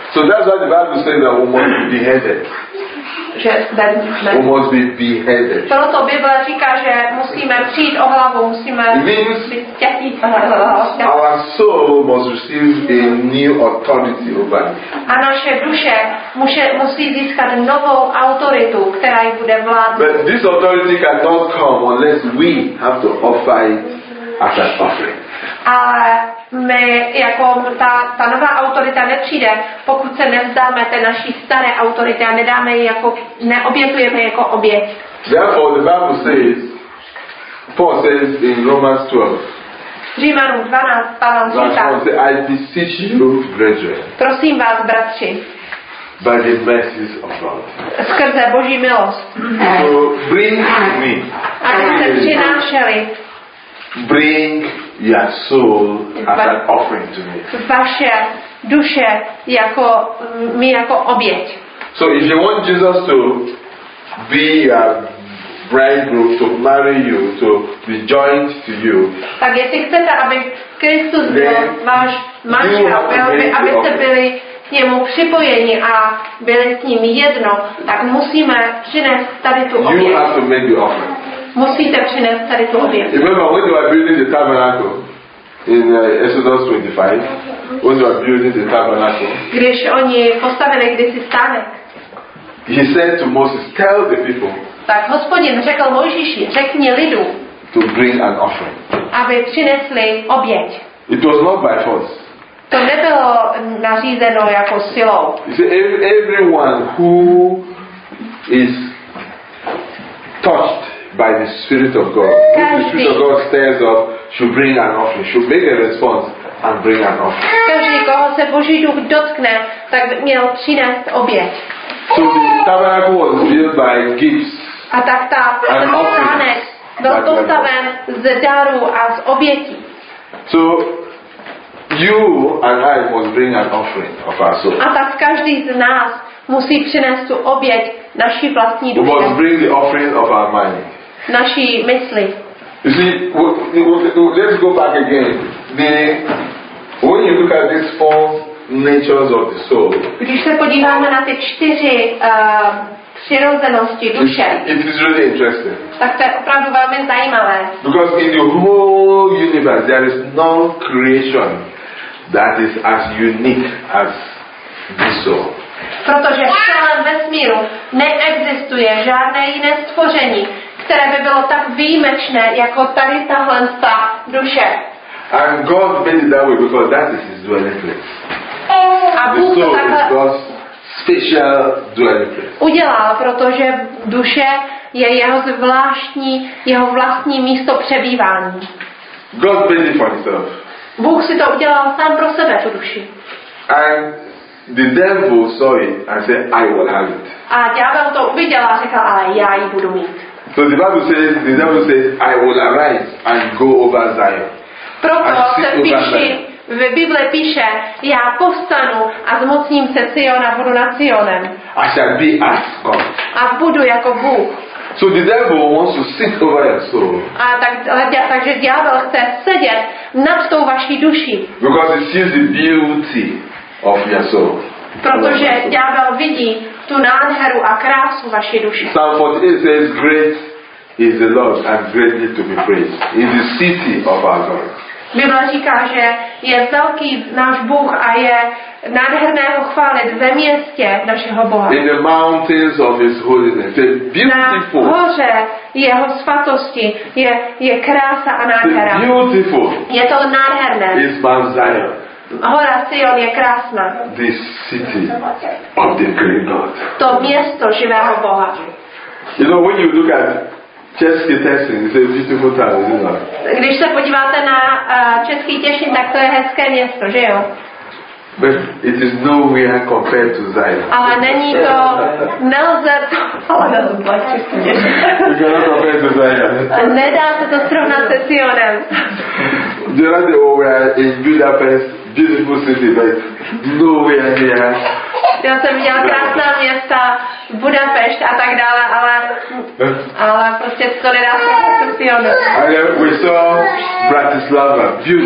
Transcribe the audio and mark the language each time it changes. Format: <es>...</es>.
<en>So that's why the Bible says that we must be beheaded.</en> <cs>Že,</cs> <en>we must be beheaded.</en> <cs>Proto Bible říká, že musíme přijít o hlavu, musíme být těžký.</cs> <en>Our soul must receive a new authority over it.</en> <cs>A naše duše musí získat novou autoritu, která jí bude vládnout.</cs> <en>But this authority cannot come unless we have to offer it as an offering.</en> <cs>A my, jako ta nová autorita nepřijde, pokud se nevzdáme té naší staré autority a nedáme ji jako, neobětujeme jako oběť.</cs> <en>Therefore the Bible says, Paul says in Romans 12.</en> <cs>Římanům 12, Pavel říká.</cs> <en>I beseech you, brethren.</en> <cs>Prosím vás, bratři.</cs> <en>By the mercies of God.</en> <cs>Skrze Boží milost.</cs> <en>So bring me.</en> <cs>A když se přinášeli.</cs> <en>Bring me. your soul as an offering to me.</en> <cs>Vaše duše jako mi jako oběť.</cs> <en>So if you want Jesus to be a bridegroom, to marry you, to be joined to you.</en> <cs>Tak jestli chcete, aby Kristus byl váš manžel, abyste byli k němu připojeni a byli s ním jedno, tak musíme přinést tady tu oběť.</cs> <en>You have to make the offering.</en> <cs>Musíte přinést tady tu oběť.</cs> <en>Remember when you are building the tabernacle in Exodus 25, when you are building the tabernacle,</en> <cs>když oni postavili kdysi stánek,</cs> <en>he said to Moses, tell the people,</en> <cs>tak Hospodin řekl Mojžíši, řekni lidu,</cs> <en>to bring an offering,</en> <cs>aby přinesli oběť.</cs> <en>It was not by force.</en> <cs>To nebylo nařízeno jako silou.</cs> <en>See, everyone who is touched by the Spirit of God,</en> <cs>každý,</cs> <en>the Spirit of God stirs up, should bring an offering, should make a response and bring an offering.</en> <cs>Každý, koho se Boží duch dotkne, tak měl přinést oběť.</cs> <en>So the tabernacle was built by gifts.</en> <cs>A tak ta stánek byl postaven z darů a z obětí.</cs> <en>So you and I must bring an offering of our soul.</en> <cs>A tak každý z nás musí přinést tu oběť naší vlastní duše.</cs> <en>We must bring the offering of our mind.</en> <cs>Naší mysli.</cs> <en>You see, let's go back again. When you look at these four natures of the soul,</en> <cs>když se podíváme na ty čtyři přirozenosti duše,</cs> <en>it is really interesting.</en> <cs>Tak to je opravdu velmi zajímavé.</cs> <en>Because in the whole universe there is no creation that is as unique as this soul.</en> <cs>Protože v celém vesmíru neexistuje žádné jiné stvoření, které by bylo tak výjimečné jako tady tahle ta duše.</cs> <en>And God made it that way because that is his dwelling place.</en> <cs>A Bůh to takhle</cs> <en>special dwelling place.</en> <cs>Udělal, protože duše je jeho zvláštní, jeho vlastní místo přebývání.</cs> <en>God made it for himself.</en> <cs>Bůh si to udělal sám pro sebe, tu duši.</cs> <en>And the devil saw it and said, I will have it.</en> <cs>A ďábel to uviděl a řekl, ale já ji budu mít.</cs> <en>So the Bible says, the devil says, I will arise and go over Zion.</en> <cs>Proto se píše, v Bible píše, já povstanu a zmocním se Siona, budu nad Sionem.</cs> <en>I shall be as God.</en> <cs>A budu jako Bůh.</cs> <en>So the devil wants to sit over your soul.</en> <cs>A tak, takže ďábel chce sedět nad tou vaší duší.</cs> <en>Because he sees the beauty of your soul.</en> <cs>Protože ďábel vidí tu nádheru a krásu vaší duši.</cs> <en>Psalm 48 says, great is the Lord and greatly to be praised. In the city of our God.</en> <cs>Bible říká, že je velký náš Bůh a je nádherné ho chválit ve městě našeho Boha.</cs> <en>In the mountains of his holiness, it's beautiful.</en> <cs>Na hoře jeho svatosti je krása a nádhera.</cs> <en>It's beautiful.</en> <cs>Je to nádherné.</cs> <en>It's Mount Zion.</en> <cs>Hora Sion je krásná.</cs> <en>The city of the great God.</en> <cs>To město živého Boha.</cs> <en>You know, when you look at Český Těšín, it's a beautiful town, isn't it?</en> <cs>Když se podíváte na Český Těšín, tak to je hezké město, že jo?</cs> <en>But it is nowhere compared to Zion.</en> <cs>Ale není to, nelze to, ale nelze to zbavit Český Těšín. Nedá se to srovnat se Sionem.</cs> <en>There are the over in Budapest, beautiful city, but nowhere near.</en> <cs>Já jsem viděla krásná města, Budapešť a tak dále, ale prostě to nedá se srovnat.</cs> <en>We saw Bratislava, beautiful.</en>